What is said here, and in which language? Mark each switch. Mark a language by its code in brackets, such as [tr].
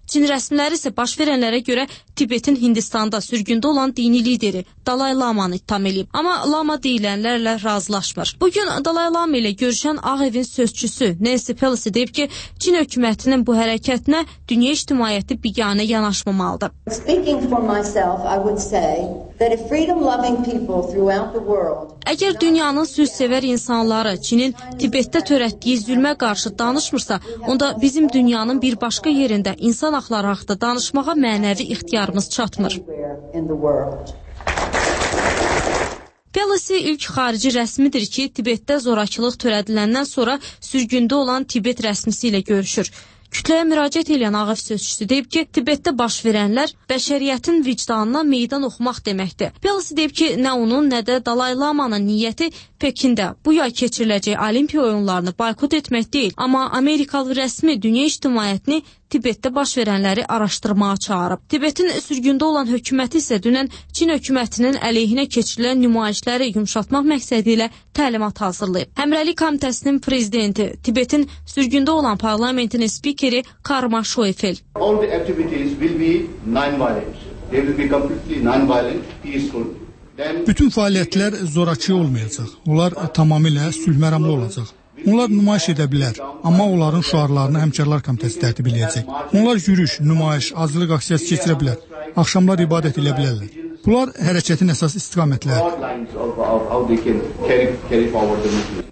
[az] Çin rəsmiləri isə baş verənlərə görə Tibetin Hindistanda sürgündə olan dini lideri Dalai Lamanı ittiham edib. Amma Lama deyilənlərlə razılaşmır. Bugün Dalai Lama ilə görüşən Ağ Evin sözçüsü Nancy Pelosi deyib ki, Çin hökumətinin bu hərəkətinə dünya ictimaiyyəti biganə yanaşmamalıdır. [en] Speaking for myself, I would say that if freedom-loving people throughout the world... [az] Əgər dünyanın sülhsevər insanları Çinin Tibetdə törətdiyi zülmə qarşı danışmırsa, onda bizim dünyanın bir başqa yerində insan haqları haqda danışmağa mənəvi ixtiyarımız çatmır. Pelosi ilk xarici rəsmidir ki, Tibetdə zorakılıq törədiləndən sonra sürgündə olan Tibet rəsmisi ilə görüşür. Kütləyə müraciət edən Ağ Ev sözçüsü deyib ki, Tibetdə baş verənlər bəşəriyyətin vicdanına meydan oxumaq deməkdir. Pelosi deyib ki, nə onun, nə də Dalai Lamanın niyyəti Pekində bu yay keçiriləcək Olimpiya oyunlarını boykot etmək deyil, amma Amerikalı rəsmi dünya ictimaiyyətini Tibetdə baş verənləri araşdırmağa çağırıb. Tibetin sürgündə olan hökuməti isə dünən Çin hökumətinin əleyhinə keçirilən nümayişləri yumşaltmaq məqsədi ilə təlimat hazırlayıb. Həmrəlik komitəsinin prezidenti, Tibetin sürgündə olan parlamentinin spikeri Karma Shoifel. [en] All the activities will be non-violent. They will be completely non-violent, peaceful. [az] Bütün fəaliyyətlər zorakı olmayacaq. Onlar tamamilə sülhməramlı olacaq. Onlar nümayiş edə bilər, amma onların şüarlarını həmkarlar komitəsi tərtib edəcək. Onlar yürüyüş, nümayiş, azlıq aksiyası keçirə bilər, axşamlar ibadət edə bilərlər. Bunlar hərəkətin əsas istiqamətləridir.